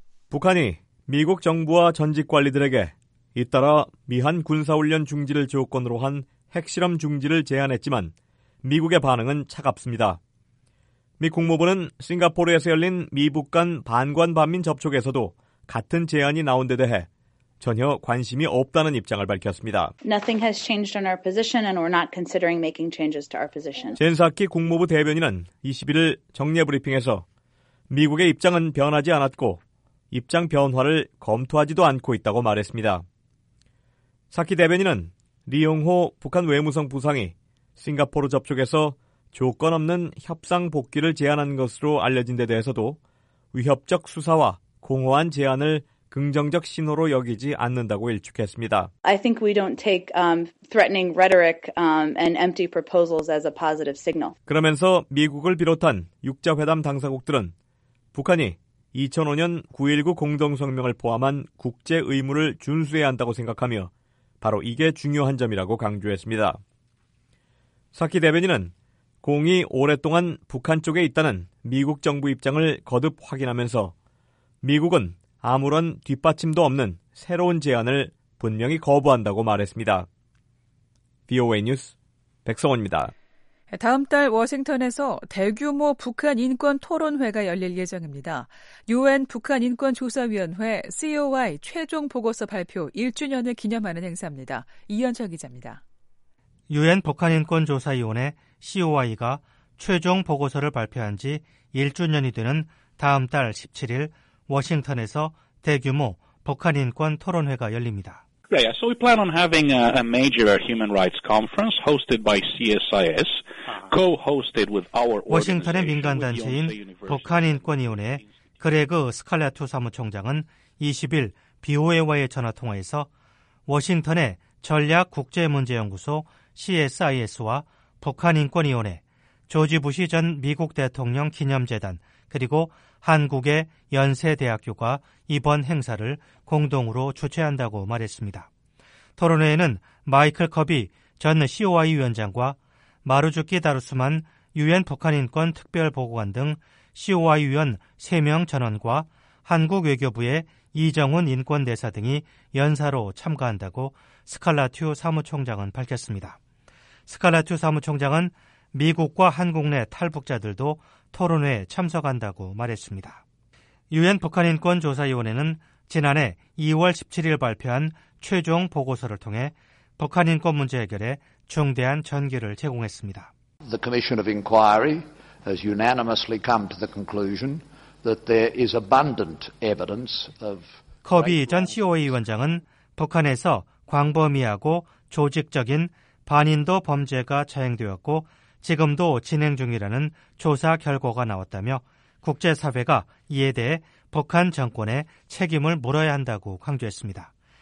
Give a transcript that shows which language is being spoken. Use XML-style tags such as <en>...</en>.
<ko>북한이 미국 정부와 전직 관리들에게 잇따라 미한 군사훈련 중지를 조건으로 한 핵실험 중지를 제안했지만 미국의 반응은 차갑습니다. 미 국무부는 싱가포르에서 열린 미북 간 반관반민 접촉에서도 같은 제안이 나온 데 대해 전혀 관심이 없다는 입장을 밝혔습니다.</ko> <en>Nothing has changed on our position and we're not considering making changes to our position.</en> <ko>젠 사키 국무부 대변인은 21일 정례 브리핑에서 미국의 입장은 변하지 않았고 입장 변화를 검토하지도 않고 있다고 말했습니다. 사키 대변인은 리용호 북한 외무성 부상이 싱가포르 접촉에서 조건 없는 협상 복귀를 제안한 것으로 알려진 데 대해서도 위협적 수사와 공허한 제안을 긍정적 신호로 여기지 않는다고 일축했습니다.</ko> <en>I think we don't take threatening rhetoric and empty proposals as a positive signal.</en> <ko>그러면서 미국을 비롯한 6자회담 당사국들은 북한이 2005년 9.19 공동성명을 포함한 국제 의무를 준수해야 한다고 생각하며 바로 이게 중요한 점이라고 강조했습니다. 사키 대변인은 공이 오랫동안 북한 쪽에 있다는 미국 정부 입장을 거듭 확인하면서 미국은 아무런 뒷받침도 없는 새로운 제안을 분명히 거부한다고 말했습니다. VOA 뉴스 백성원입니다. 다음 달 워싱턴에서 대규모 북한 인권 토론회가 열릴 예정입니다. 유엔 북한 인권 조사위원회 COI 최종 보고서 발표 1주년을 기념하는 행사입니다. 이현철 기자입니다. 유엔 북한 인권 조사위원회 COI가 최종 보고서를 발표한 지 1주년이 되는 다음 달 17일 워싱턴에서 대규모 북한 인권 토론회가 열립니다.</ko> <en>Yeah, so we plan on having a major human rights conference hosted by CSIS, co-hosted with our organization.</en> <ko>워싱턴의 민간 단체인 북한 인권 위원회 그레그 스칼레토 사무총장은 20일 BOA와의 전화 통화에서 워싱턴의 전략 국제 문제 연구소 CSIS와 북한인권위원회, 조지 부시 전 미국 대통령 기념재단, 그리고 한국의 연세대학교가 이번 행사를 공동으로 주최한다고 말했습니다. 토론회에는 마이클 커비 전 COI 위원장과 마루주키 다루스만 유엔 북한인권특별보고관 등 COI 위원 3명 전원과 한국외교부의 이정훈 인권대사 등이 연사로 참가한다고 스칼라튜 사무총장은 밝혔습니다. 스칼라튜 사무총장은 미국과 한국 내 탈북자들도 토론회에 참석한다고 말했습니다. 유엔 북한인권조사위원회는 지난해 2월 17일 발표한 최종 보고서를 통해 북한인권 문제 해결에 중대한 전기를 제공했습니다.</ko> <en>The Commission of Inquiry has unanimously come to the conclusion that there is abundant evidence of</en> <ko>커비 전 COI 위원장은 북한에서 광범위하고 조직적인 반인도 범죄가 자행되었고 지금도 진행 중이라는 조사 결과가 나왔다며 국제사회가 이에 대해 북한 정권에 책임을 물어야 한다고 강조했습니다.</ko>